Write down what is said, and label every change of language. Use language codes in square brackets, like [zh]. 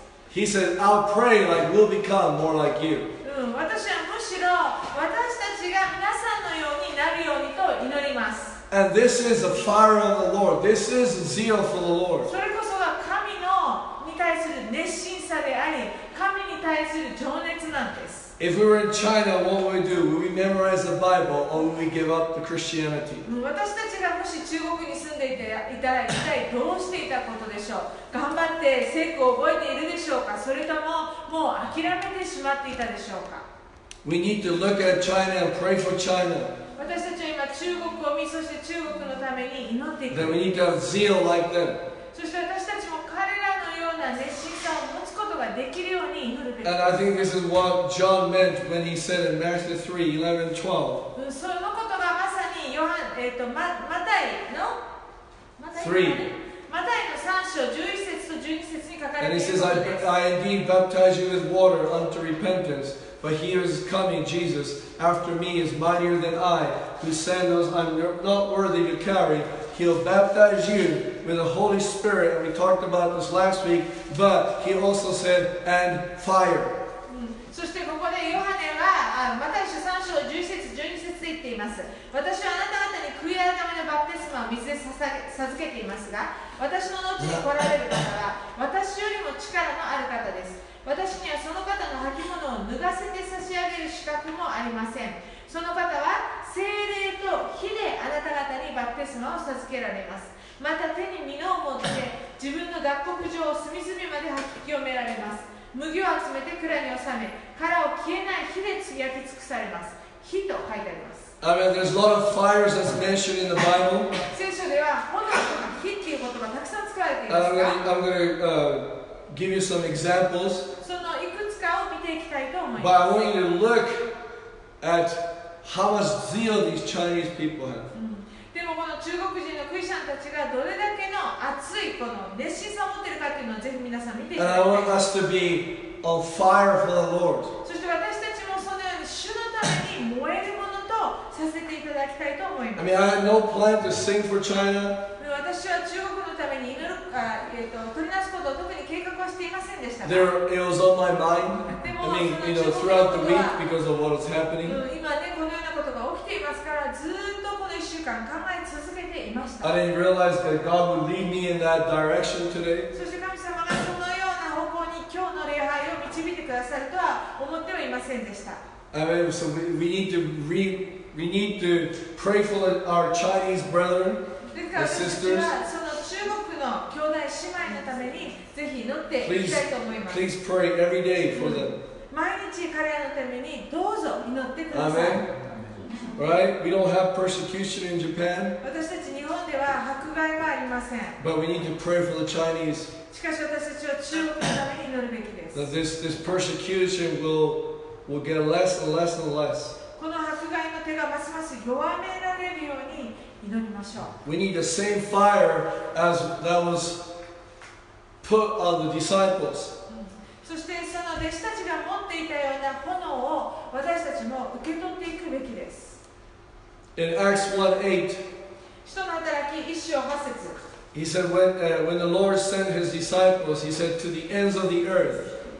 [en] He said, I'll pray like we'll become more like you. [ja] 私はむしろ私たちが皆さんのようになるようにと祈ります。 [en] And this is the fire of the Lord. This is zeal for the Lord. [ja] それこそが神のに対する熱心さであり、神に対する情熱なんです。 [en] If we were in China, what would we do? Would we memorize the Bible or would we give up the Christianity? [ja] 私たちがもし中国に住んでいたら、一体どうしていたことでしょう。頑張って聖句を覚えているでしょうか。それとももう諦めてしまっていたでしょうか。 [en] We need to look at China and pray for China. [ja] 私たちは今中国を見、そして中国のために祈っていく。 [en] Then we need to have zeal like them. [ja] そして私たちも彼らのような熱心さを持つことができるように祈るべきです。 [en] And I think this is what John meant when he said in Matthew 3, 11 and 12. [ja] そのことがまさにヨハン、マタイの 3。マタイの3章11節と12節に書かれているのです。 [en] I indeed baptize you with water unto repentance, but he is coming, Jesus, after me is mightier than I, whose sandals I'm not worthy to carry. He'll baptize you with the Holy Spirit, and we talked about this last week, but he also said, and fire. [ja] そしてここでヨハネはマタイ書3章11節と12節で言っています。私はあなた方に悔い改めのバプテスマを水で授けていますが、私の後に来られる方は私よりも力のある方です。私にはその方の履物を脱がせて差し上げる資格もありません。その方は聖霊と火であなた方にバプテスマを授けられます。また手に蓑を持って自分の脱穀場を隅々まで吐き清められます。麦を集めて蔵に納め、殻を消えない火で焼き尽くされます。火と書いてあります。 [en] I mean, there's a lot of fires that's mentioned in the Bible. [ja] 聖書では炎とか火っていう言葉がたくさん使われていますが、 [en] I'm going to give you some examples. [ja] そのいくつかを見ていきたいと思います。 [en] But I want you to look at how much zeal these Chinese people have. [ja] でもこの中国人のクリスチャンたちがどれだけの熱いこの熱心さを持っているかっていうのをぜひ皆さん見ていきたいと思います。 [en] And I want us to be on fire for the Lord. [ja] そして私たちもそのように主のために燃えるものとさせていただきたいと思います。 [en] I mean, I have no plan to sing for China. [ja] 私は中国のために祈るか、取りなすことを特に計画はしていませんでした。 [en] There, it was on my mind. I mean, you know, throughout the week because of what was happening. [ja] 今ね、このようなことが起きていますから、ずっとこの1週間考え続けていました。 [en] I didn't realize that God would lead me in that direction today. [ja] そして神様がそのような方向に今日の礼拝を導いてくださるとは思ってはいませんでした。 [en] I mean, so we need to pray for our Chinese brethren, our sisters. Please pray every day for them. [ja] 毎日彼らのためにどうぞ祈ってください。 [en] Amen. Right? We don't have persecution in Japan. [ja] 私たち日本では迫害はありません。 [en] But we need to pray for the Chinese. [ja] しかし私たちは中国のために祈るべきです。 [en] That this persecution will get less and less and less. [ja] この迫害の手がますます弱められるように祈りましょう。 [en] We need the same fire as that was put on the disciples. [ja] そしてその弟子たちが持っていたような炎を私たちも受け取っていくべきです。 [en] In Acts 1:8, [ja] 使徒の働き一章八節。 [en] He said when the Lord sent his disciples, he said to the ends of the earth.